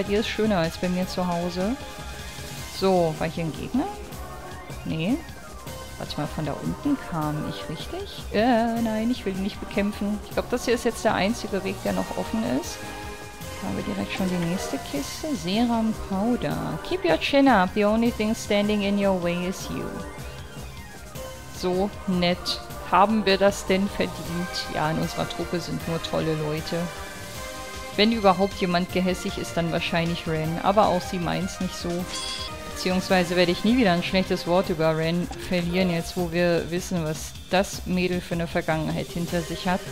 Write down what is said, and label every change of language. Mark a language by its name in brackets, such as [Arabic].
[German] Bei dir ist schöner als bei mir zu Hause. So, war hier ein Gegner? Nee. Warte mal, von da unten kam ich, richtig? Nein, ich will ihn nicht bekämpfen. Ich glaube, das hier ist jetzt der einzige Weg, der noch offen ist. Da haben wir direkt schon die nächste Kiste. [English] Serum Powder. Keep your chin up. The only thing standing in your way is you. [German] So nett. Haben wir das denn verdient? Ja, in unserer Truppe sind nur tolle Leute. Wenn überhaupt jemand gehässig ist, dann wahrscheinlich Ren. Aber auch sie meint's nicht so. Beziehungsweise werde ich nie wieder ein schlechtes Wort über Ren verlieren, jetzt wo wir wissen, was das Mädel für eine Vergangenheit hinter sich hat.